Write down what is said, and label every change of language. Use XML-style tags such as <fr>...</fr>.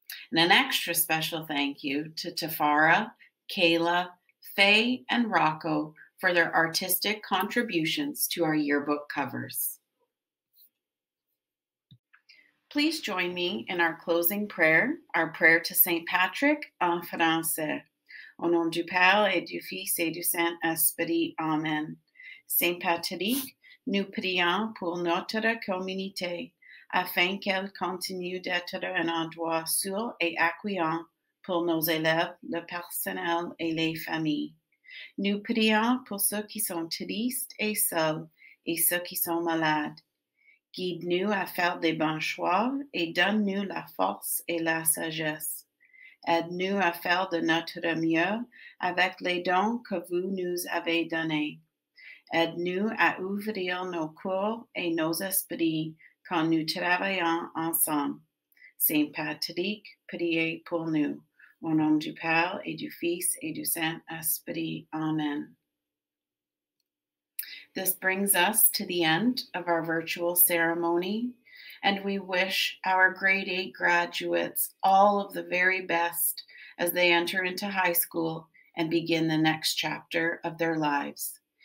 <en>And an extra special thank you to Tafara, Kayla, Faye, and Rocco for their artistic contributions to our yearbook covers. Please join me in our closing prayer, our prayer to St.</en> <fr>Patrick en français. Au nom du Père et du Fils et du Saint-Esprit. Amen. Saint Patrick, nous prions pour notre communauté, afin qu'elle continue d'être un endroit sûr et accueillant pour nos élèves, le personnel et les familles. Nous prions pour ceux qui sont tristes et seuls et ceux qui sont malades. Guide-nous à faire des bons choix et donne-nous la force et la sagesse. Aide-nous à faire de notre mieux avec les dons que vous nous avez donnés. Aide-nous à ouvrir nos cœurs et nos esprits quand nous travaillons ensemble. Saint Patrick, priez pour nous. Au nom du Père et du Fils et du Saint-Esprit. Amen.</fr> <en>This brings us to the end of our virtual ceremony, and we wish our grade 8 graduates all of the very best as they enter into high school and begin the next chapter of their lives.</en>